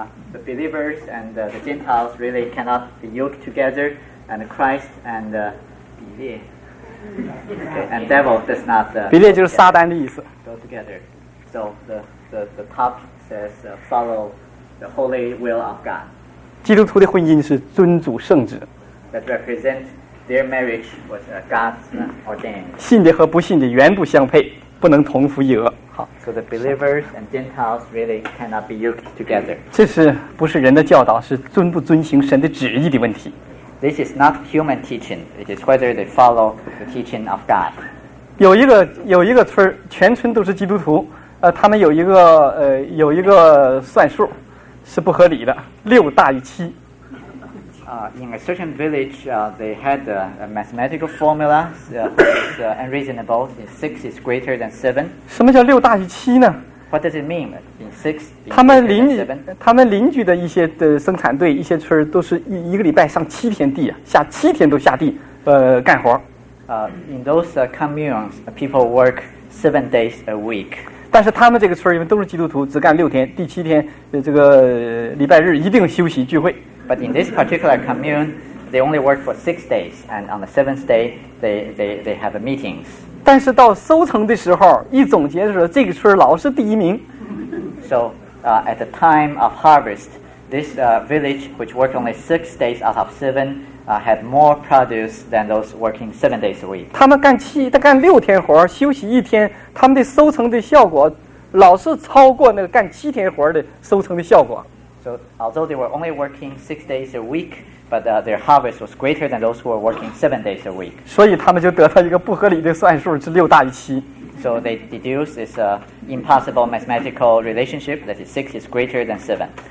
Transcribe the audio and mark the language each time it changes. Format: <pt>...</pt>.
<en>The believers and the Gentiles really cannot be yoked together, and Christ and and devil does not.</en> <zh>比列就是撒旦的意思。</zh> <en>Go together. So the top says follow the holy will of God.</en> <zh>基督徒的婚姻是尊主圣旨。</zh> <en>That represents their marriage was God's ordained.</en> <zh>信的和不信的原不相配，不能同父异母。</zh> <en>So the believers and Gentiles really cannot be yoked together.</en> <zh>这是不是人的教导，是遵不遵行神的旨意的问题。</zh> <en>This is not human teaching. It is whether they follow the teaching of God.</en> <zh>有一个村，全村都是基督徒，他们有一个算数是不合理的，六大于七。</zh> <en>In a certain village, they had a mathematical formula. It's unreasonable. Six is greater than seven.</en> <zh>什么叫六大于七呢？</zh> <en>What does it mean? In six, being greater than seven?</en> <zh>他们邻居的一些的生产队，一些村都是一个礼拜上七天地，下七天都下地，干活。</zh> <en>In those communes, people work 7 days a week.</en> <zh>但是他们这个村因为都是基督徒，只干六天，第七天这个礼拜日一定休息聚会。</zh> <en>But in this particular commune, they only work for 6 days, and on the seventh day, they have a meetings.</en> <zh>但是到收成的时候，一总结的时候，这个村老是第一名。</zh> <en>So, at the time of harvest, this village, which worked only 6 days out of seven, had more produce than those working 7 days a week.</en> <zh>他们干六天活，休息一天，他们的收成的效果老是超过那个干七天活的收成的效果。</zh> <en>So, although they were only working 6 days a week, but their harvest was greater than those who were working 7 days a week.</en> <zh>所以他们就得到一个不合理的算数，是六大于七。</zh> <en>So they deduce this impossible mathematical relationship that is six is greater than seven.</en>